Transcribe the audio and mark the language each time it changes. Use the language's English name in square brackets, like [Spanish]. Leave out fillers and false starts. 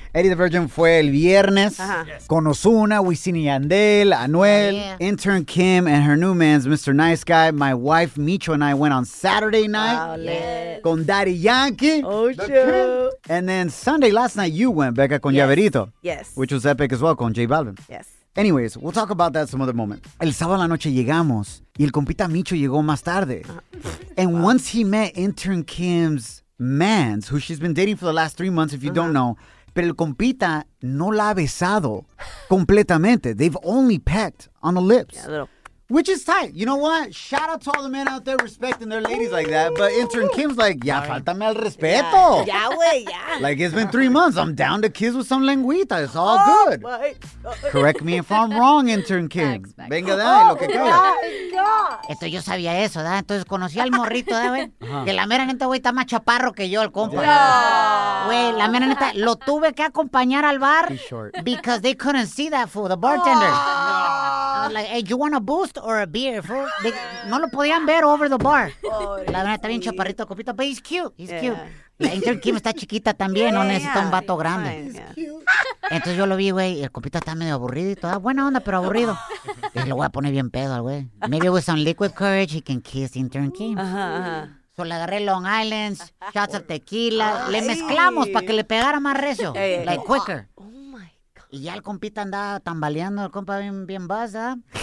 [Spanish] Eddie the Virgin fue el viernes. Con Ozuna, Wisin y Yandel, Anuel. [English] Yeah. Intern Kim and her new mans, Mr. Nice Guy. My wife, Micho, and I went on Saturday night. [Spanish] Con Daddy Yankee. [English] Oh, shoot. And then Sunday, last night, you went, Becca, con Llaverito. Yes. Which was epic as well, con J Balvin. Yes. Anyways, we'll talk about that some other moment. [Spanish] El sábado la noche llegamos y el compita Micho llegó más tarde. [English] And once he met intern Kim's mans, who she's been dating for the last 3 months, if you don't know, [Spanish] pero el compita no la ha besado completamente. [English] They've only pecked on the lips. Yeah, a little. Which is tight. You know what? Shout out to all the men out there respecting their ladies like that. But intern Kim's like, [Spanish] ya faltame el respeto. Ya, güey, ya. [English] Like, it's been 3 months. I'm down to kiss with some lengüita. It's all good. My God. Correct me if I'm wrong, intern Kim. [Spanish] Venga, da, lo que quiera. Entonces yo sabía eso, ¿verdad? Entonces conocí al morrito, ¿verdad, güey? Que la mera neta, güey, está más chaparro que yo, el compa. Güey, la mera neta, lo tuve que acompañar al bar. [English] He's short. Because they couldn't see that fool, the bartender. Like, hey, you want a boost or a beer, fool? [Spanish] No lo podían ver [English] over the bar. [Spanish] La verdad, está bien chaparrito, copito, [English] but he's cute. He's cute. [Spanish] La intern Kim está chiquita también, no necesita un vato grande. [English] He's cute. [Spanish] Entonces yo lo vi, güey, y el copito está medio aburrido y todo. Buena onda, pero aburrido. Y lo voy a poner bien pedo al güey. [English] Maybe with some liquid courage, he can kiss intern Kim. So [Spanish] le agarré [English] Long Island, shots of tequila. [Spanish] Le mezclamos para que le pegara más recio. [English] Like quicker. [Spanish] Y ya el compita andaba tambaleando, el compa bien baza.